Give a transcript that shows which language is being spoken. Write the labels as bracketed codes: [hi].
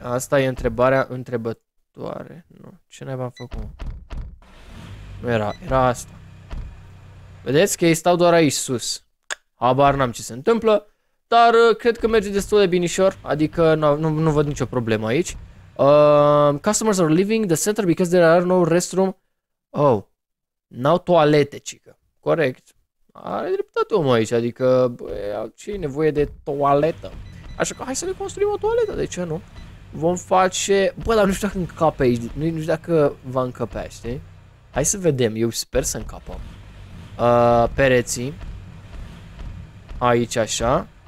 [ro] Asta e întrebarea întrebătoare. Nu. Ce ne-am făcut? Nu era. Era asta. Vedeți că ei stau doar aici sus. Habar n-am ce se întâmplă. Dar cred că merge destul de binișor. Adică nu văd nicio problemă aici. [en] Customers are leaving the center because there are no restroom. [ro] Oh. N-au toalete, cică. Corect. Are dreptate omul aici. Adică, bă, ce-i nevoie de toaletă? Așa că hai să ne construim o toaletă. De ce nu? Vom face... Bă, dar nu știu dacă încape aici. Nu știu dacă va încăpea, știi? Hai să vedem. Eu sper să încapă. Pereții. Aici așa.